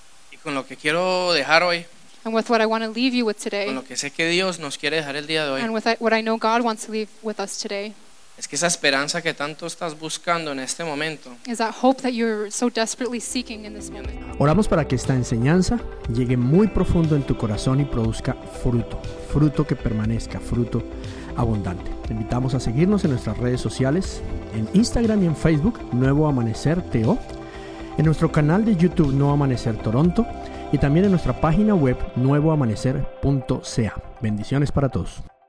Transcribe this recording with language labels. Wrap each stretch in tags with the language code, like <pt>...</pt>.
<es>Y con lo que quiero dejar hoy,</es> <en>and with what I want to leave you with today,</en> <es>con lo que sé que Dios nos quiere dejar el día de hoy,</es> <en>and with what I know God wants to leave with us today,</en> <es>es que esa esperanza que tanto estás buscando en este momento,</es> <en>is that hope that you're so desperately seeking in this moment.</en> <es>Oramos para que esta enseñanza llegue muy profundo en tu corazón y produzca fruto, fruto que permanezca, fruto abundante. Te invitamos a seguirnos en nuestras redes sociales, en Instagram y en Facebook, Nuevo Amanecer TO, en nuestro canal de YouTube, Nuevo Amanecer Toronto, y también en nuestra página web, nuevoamanecer.ca. Bendiciones para todos.</es>